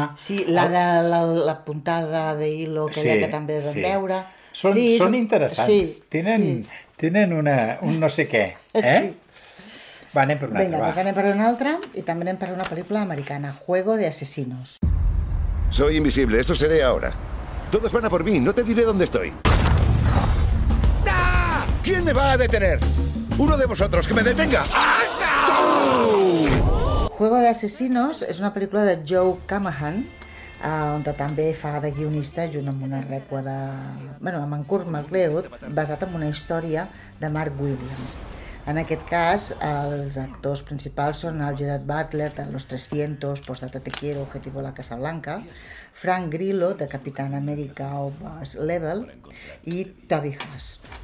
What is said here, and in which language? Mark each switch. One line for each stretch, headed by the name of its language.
Catalan: Sí, la puntada d'Hilo, que també vam veure... Són interessants. Sí, tenen un no sé què, eh? Sí. Va, anem per una altra. Vinga, doncs anem per una altra i també anem per una pel·lícula americana, Juego de Asesinos.
Spanish: Soy invisible, eso seré ahora. Todos van a por mí, no te diré dónde estoy. ¡Ah! ¿Quién me va a detener? ¡Uno de vosotros, que me detenga! ¡Ah! ¡Oh!
Catalan: Juego de Asesinos és una pel·lícula de Joe Camahan, on també fa de guionista junt amb una rècua de... Bueno, amb en Kurt MacLeod, basat en una història de Mark Williams. En aquest cas, els actors principals són el Gerard Butler, de Los 300, Postdata Te Quiero, Objetivo a la Casa Blanca, Frank Grillo, de Capitán América o Buzz Level, i Toby Huss.